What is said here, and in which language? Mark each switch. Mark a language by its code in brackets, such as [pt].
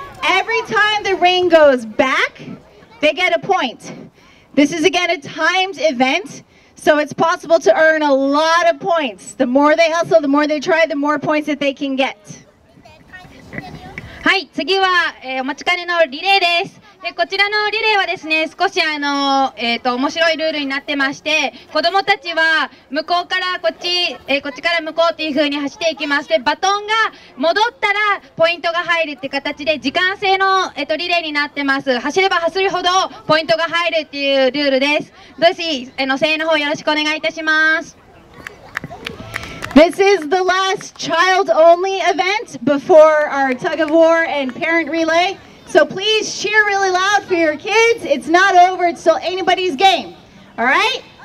[en] Every time the ring goes back, they get a point. This is again a timed event, so it's possible to earn a lot of points. The more they hustle, the more they try, the more points that they can get. [ja] はい、次は、お待ちかねのリレーです。で、こちらのリレーはですね、少し面白いルールになってまして、子供たちは向こうからこっち、こっちから向こうっていう風に走っていきまして、バトンが戻ったらポイントが入るって形で、時間制の、リレーになってます。走れば走るほどポイントが入るっていうルールです。どうし、声援の方よろしくお願いいたします。 [en] This is the last child-only event before our tug-of-war and parent relay. So please cheer really loud for your kids. It's not over. It's still anybody's game. All right?